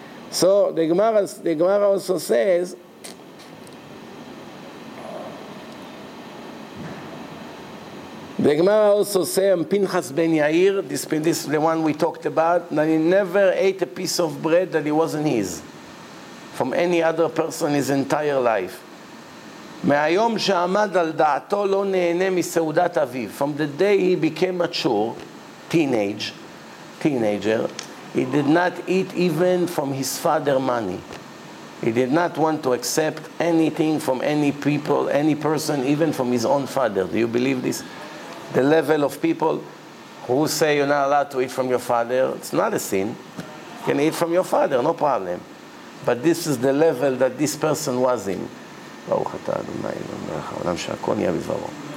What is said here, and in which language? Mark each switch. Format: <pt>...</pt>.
<en>So the Gemara also says, "Vayikra The Gemara also says, Pinchas ben Yair, this is the one we talked about, that he never ate a piece of bread that it wasn't his, from any other person his entire life.</en> <he>מהיום שעמד על דעתו לא נהנה מסעודת אביו.</he> <en>From the day he became mature, teenager, he did not eat even from his father's money. He did not want to accept anything from any people, any person, even from his own father. Do you believe this? The level of people who say you're not allowed to eat from your father, it's not a sin. You can eat from your father, no problem. But this is the level that this person was in.</en> <he>ברוך אתה אדוני ומלך העולם שהכל נהיה בדברו.</he>